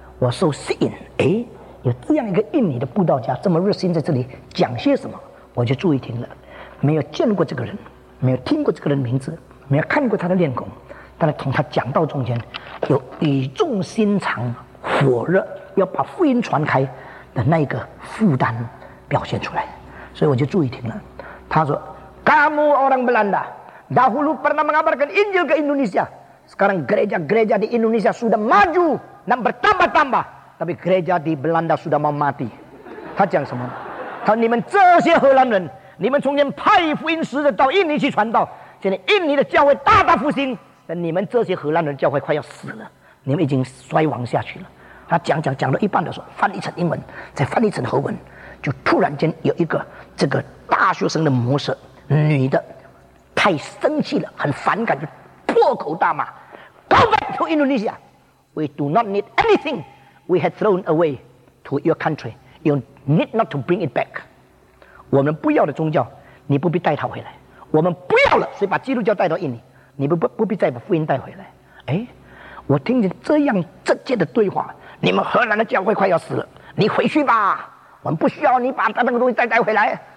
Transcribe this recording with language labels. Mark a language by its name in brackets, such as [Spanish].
[Chinese] 我受吸引，哎，有这样一个印尼的布道家这么热心在这里讲些什么，我就注意听了。没有见过这个人，没有听过这个人的名字，没有看过他的面孔，但是从他讲道中间有语重心长火热要把福音传开的那个负担表现出来，所以我就注意听了。他说 [Indonesian] Kamu orang Belanda dahulu pernah mengabarkan Injil ke Indonesia, sekarang gereja-gereja di Indonesia sudah maju dan bertambah-tambah, tapi gereja di Belanda sudah mau mati. [Chinese] 他讲什么？他说你们这些荷兰人，你们从前派福音使者到印尼去传道，现在印尼的教会大大复兴，但你们这些荷兰人教会快要死了，你们已经衰亡下去了。他讲到一半的时候，翻译成英文，再翻译成荷文，就突然间有一个这个大学生的模式，女的，太生气了，很反感，就破口大骂 ： [English] “Go back to Indonesia. We do not need anything we had thrown away to your country. You need not to bring it back. [Chinese] 我们不要的宗教，你不必带它回来。我们不要了，所以把基督教带到印尼，你不必再把福音带回来。” 哎。我听见这样直接的对话，你们荷兰的教会快要死了，你回去吧，我们不需要你把那个东西再带回来。